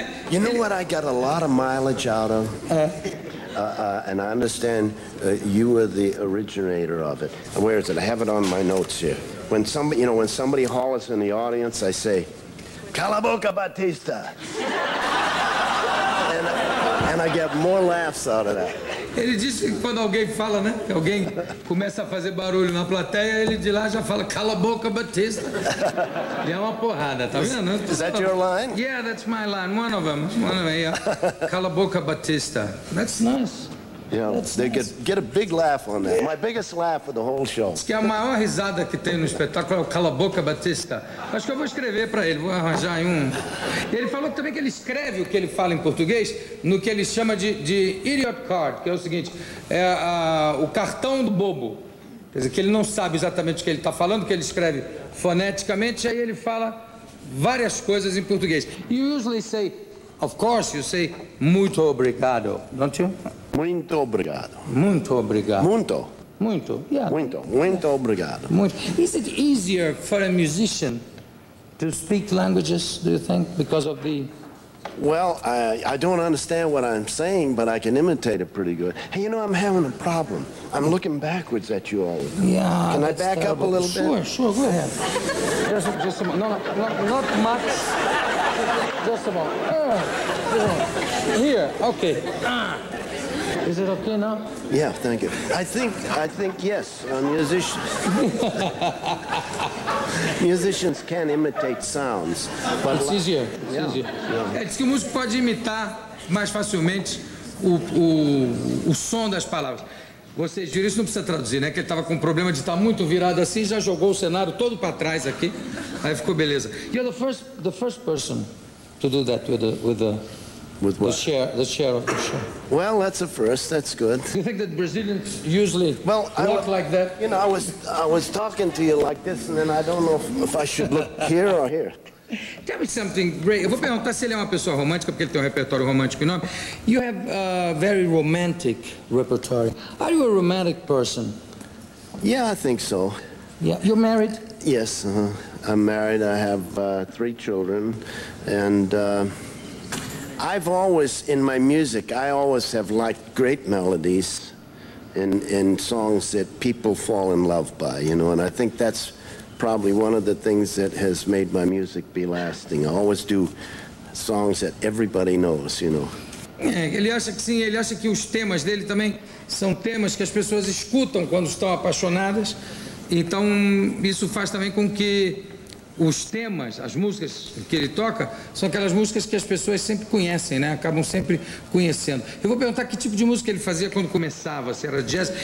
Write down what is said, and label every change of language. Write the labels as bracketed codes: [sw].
[en] You know what I got a lot of mileage out of? And I understand you were the originator of it. Where is it? I have it on my notes here. When somebody, you know, when somebody hollers in the audience, I say, [pt] "Cala boca, Batista!" [en] and I get more laughs out of that. [pt] Ele disse que quando alguém fala, né? Que alguém começa a fazer barulho na plateia, ele de lá já fala, "Cala boca, Batista!" E é uma porrada, tá vendo? [en] Is that your line? Yeah, that's my line. One of them, yeah. [pt] "Cala boca, Batista." [en] That's nice. Yeah, you know, they nice. get a big laugh on that. My biggest laugh for the whole show. Diz que a maior risada que tem no espetáculo é o "Cala a boca, Batista." [pt] Acho que eu vou escrever para ele, vou arranjar aí um. E ele falou também que ele escreve o que ele fala em português no que ele chama de [en] idiot card, [pt] que é o seguinte, é o cartão do bobo. Quer dizer, que ele não sabe exatamente o que ele está falando, que ele escreve foneticamente, aí ele fala várias coisas em português. [en] You usually say, of course, you say, [pt] muito obrigado, [en] don't you? [pt] Muito obrigado. Muito obrigado. Muito. Muito. Yeah. Muito. Muito obrigado. Muito. [en] Is it easier for a musician to speak languages, do you think, because of the... Well, I don't understand what I'm saying, but I can imitate it pretty good. Hey, you know, I'm having a problem. I'm looking backwards at you all. Yeah. Can I back terrible. Up a little sure, bit? Sure, sure, go ahead. just a moment. No, not much. Just a moment. Here. Okay. Is it okay now? Yeah, thank you. I think yes, musicians. Musicians can imitate sounds. But it's easier. Yeah. It's easier. [pt] Yeah. É, diz que o músico pode imitar mais facilmente o som das palavras. Vocês viram isso, não precisa traduzir, né? Que ele estava com um problema de estar muito virado assim, já jogou o cenário todo para trás aqui. Aí ficou beleza. [en] You're the first person to do that with what? The chair. Well, that's a first. That's good. You think that Brazilians usually walk like that? You know, I was talking to you like this, and then I don't know if I should look here or here. Tell me something, Ray. [pt] Eu vou perguntar se ele é uma pessoa romântica, porque ele tem um repertório romântico enorme. [en] You have a very romantic repertory. Are you a romantic person? Yeah, I think so. Yeah. You're married? Yes, I'm married. I have three children, and... I've always, in my music, I always have liked great melodies, and songs that people fall in love by, you know, and I think that's probably one of the things that has made my music be lasting. I always do songs that everybody knows, you know. [pt] Ele acha que sim, ele acha que os temas dele também são temas que as pessoas escutam quando estão apaixonadas. Então, isso faz também com que os temas, as músicas que ele toca, são aquelas músicas que as pessoas sempre conhecem, né? Acabam sempre conhecendo. Eu vou perguntar que tipo de música ele fazia quando começava, se era jazz.